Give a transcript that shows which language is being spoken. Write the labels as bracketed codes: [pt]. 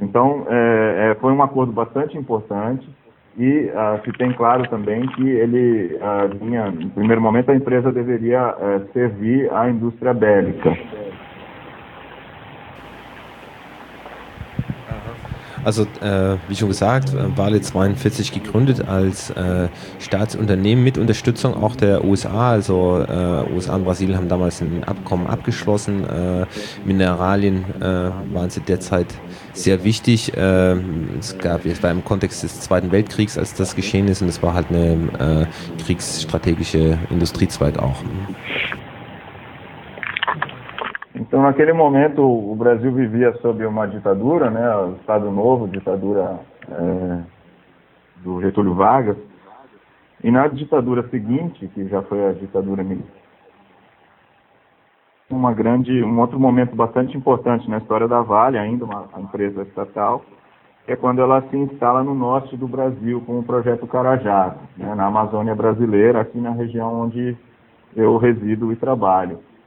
[pt] Então, foi um acordo bastante importante e se tem claro também que ele vinha, em primeiro momento, a empresa deveria servir à indústria bélica. [de] Also, wie schon gesagt, Vale 42 gegründet als Staatsunternehmen mit Unterstützung auch der USA. Also USA und Brasilien haben damals ein Abkommen abgeschlossen. Mineralien waren sie derzeit sehr wichtig. Es war im Kontext des Zweiten Weltkriegs, als das geschehen ist, und es war halt eine kriegsstrategische Industriezweig auch. [pt] Então, naquele momento, o Brasil vivia sob uma ditadura, né, o Estado Novo, ditadura do Getúlio Vargas, e na ditadura seguinte, que já foi a ditadura militar, um outro momento bastante importante na história da Vale, ainda uma empresa estatal, é quando ela se instala no norte do Brasil com o projeto Carajás, né, na Amazônia brasileira, aqui na região onde eu resido e trabalho.